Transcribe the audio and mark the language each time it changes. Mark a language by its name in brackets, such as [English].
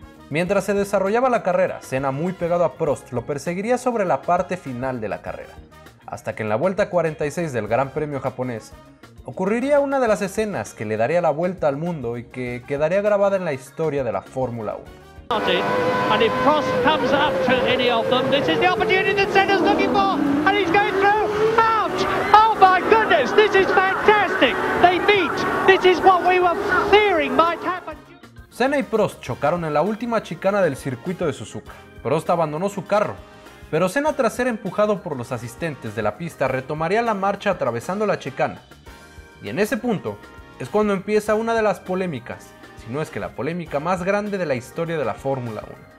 [Spanish] Mientras se desarrollaba la carrera, Senna, muy pegado a Prost, lo perseguiría sobre la parte final de la carrera, hasta que en la vuelta 46 del Gran Premio japonés, ocurriría una de las escenas que le daría la vuelta al mundo y que quedaría grabada en la historia de la Fórmula 1. [English] And if Prost comes up to any of them, this is the opportunity that Senna's looking for, and he's going through. Ouch! Oh my goodness, this is fantastic. They meet. This is what we were fearing might happen. [Spanish] Senna y Prost chocaron en la última chicana del circuito de Suzuka. Prost abandonó su carro, pero Senna, tras ser empujado por los asistentes de la pista, retomaría la marcha atravesando la chicana. Y en ese punto es cuando empieza una de las polémicas, si no es que la polémica más grande de la historia de la Fórmula 1.